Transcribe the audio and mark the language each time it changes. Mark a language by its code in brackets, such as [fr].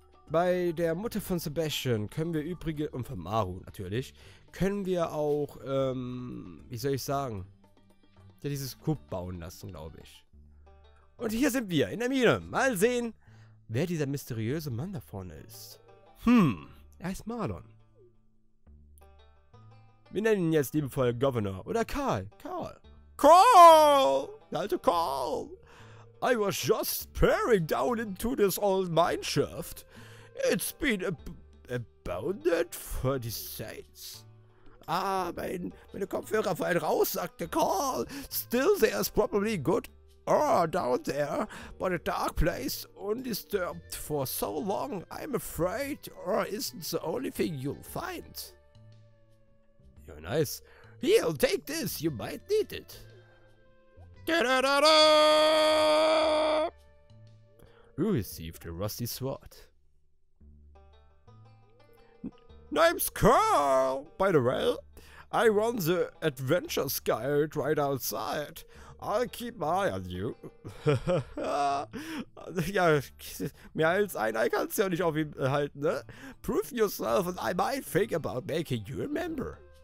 [de] Bei der Mutter von Sebastian können wir übrigens, und von Maru natürlich, können wir auch, wie soll ich sagen, ja, dieses Coop bauen lassen, glaube ich. Und hier sind wir in der Mine. Mal sehen, wer dieser mysteriöse Mann da vorne ist. Er heißt Marlon. Wir nennen ihn jetzt liebevoll Governor oder Karl. Karl. Karl! Der alte Karl! [en] I was just peering down into this old mine shaft. It's been abandoned for the saints. [de] Ah, meine Kopfhörer fallen raus, sagte Karl. [en] Still, there is probably good ore down there, but a dark place undisturbed for so long. I'm afraid ore isn't the only thing you'll find. Ja, nice. Here, take this. You might need it. Da-da-da-da! You received a rusty sword. Name's Carl, by the way. I run the adventure guide right outside. I'll keep my eye on you. [de] Ja, mehr als ein Ei kannst du ja nicht auf ihn halten, ne? [en] Prove yourself and I might think about making you a member.